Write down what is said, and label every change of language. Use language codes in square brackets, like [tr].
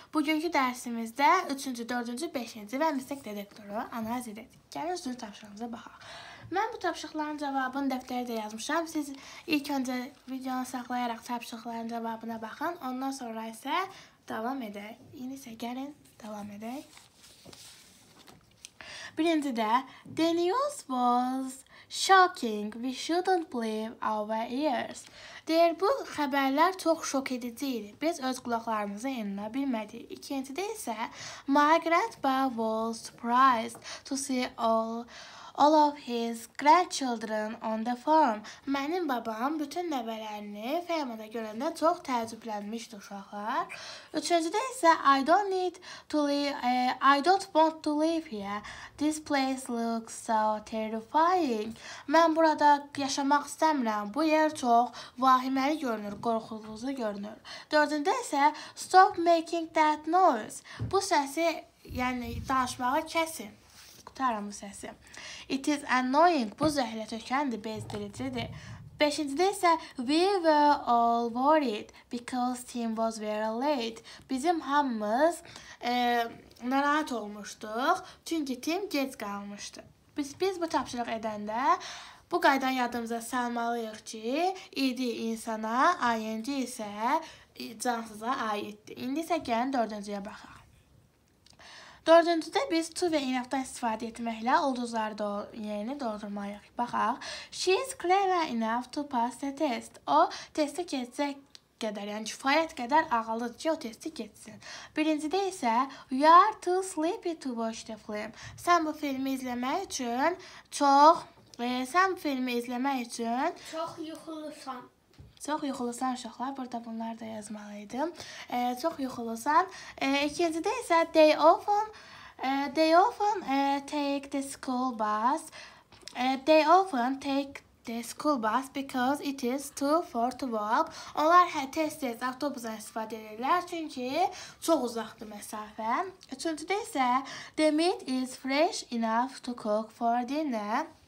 [az] Bugünkü dərsimizdə 3-cü, 4-cü, 5-ci və mistik detektoru analiz edirik. Gəlin sizin tapşırığınıza baxaq. Mən bu tapşırıqların cavabını dəftərə də yazmışam. Siz ilk öncə videonu saxlayaraq tapşırıqların cavabına baxın. Ondan sonra isə davam edək. İndi isə gəlin davam edək. [en] Birincidə, the news was shocking. We shouldn't believe our ears. [az] Deyir, bu xəbərlər çox şok edici idi. Biz öz qulaqlarımızı inana bilmədik. [en] İkincidə isə, my grandpa was surprised to see all of his grandchildren on the farm. [az] Mənim babam bütün nəvələrini fermada görəndə çox təəccüblənmişdi uşaqlar. [en] Üçüncüdə isə I don't want to live here. This place looks so terrifying. [az] Mən burada yaşamaq istəmirəm. Bu yer çox vahiməli görünür, qorxulucu görünür. Dördüncüdə isə [en] stop making that noise. [az] Bu səsi, yəni danışmağı kəsin. Qutaram bu səsi. [en] It is annoying. [az] Bu zəhlə tökəndir, bezdiricidir. [en] Beşincidə isə we were all worried because Tim was very late. [az] Bizim hamımız narahat olmuşduq. Çünki Tim gec qalmışdı. Biz bu tapşırıq edəndə bu qaydan yadımıza salmalıyıq ki, idi insana, ing isə cansıza aiddir. İndi isə gəlin dördüncüyə baxaq. Dördüncüdə biz to və enough-dan istifadə etməklə ulduzları yerini doldurmayıq. Baxaq. [en] She is clever enough to pass the test. [az] O, testi keçəcək qədər, yəni kifayət qədər ağıllıdır ki, o testi keçsin. [en] Birincidə isə you are too sleepy to watch the film. [az] Sən bu filmi izləmək üçün çox... Çox yuxulusan. Çox yuxulusan uşaqlar, burada bunlar da yazmalıydım. Çox yuxulusan. [en] İkincidə isə they often take the school bus because it is too far to walk. [az] Onlar tez-tez avtobusdan istifadə edirlər çünki çox uzaqdır məsafə. [en] Üçüncüdə isə the meat is fresh enough to cook for dinner.